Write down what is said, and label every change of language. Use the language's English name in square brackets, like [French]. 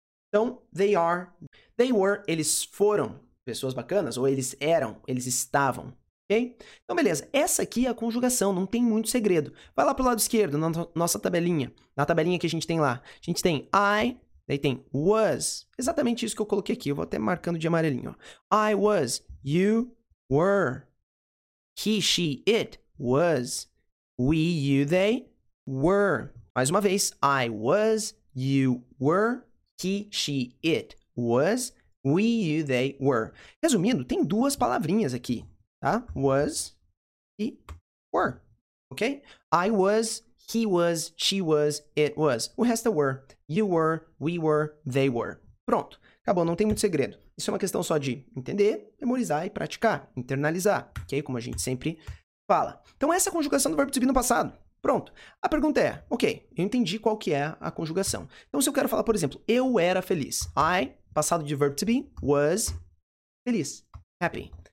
[Portuguese] Então, [English] they are, they were, [Portuguese] eles foram pessoas bacanas, ou eles eram, eles estavam, ok? Então, beleza, essa aqui é a conjugação, não tem muito segredo. Vai lá pro lado esquerdo, na nossa tabelinha, na tabelinha que a gente tem lá. A gente tem I, daí tem was, exatamente isso que eu coloquei aqui, eu vou até marcando de amarelinho, ó. [English] I was, you were, he, she, it, was, we, you, they, were. [Portuguese] Mais uma vez, [English] I was, you were, he, she, it, was, we, you, they, were. [Portuguese] Resumindo, tem duas palavrinhas aqui, tá? Was e were, ok? [English] I was, he was, she was, it was. [Portuguese] O resto é were, you were, we were, they were. Pronto, acabou, não tem muito segredo. Isso é uma questão só de entender, memorizar e praticar, internalizar, ok? Como a gente sempre fala. Então, essa é a conjugação do verbo to be no passado. Pronto. A pergunta é, ok, eu entendi qual que é a conjugação. Então, se eu quero falar, por exemplo, eu era feliz. [English] I, [Portuguese] passado de verbo [English] to be, was feliz. Happy.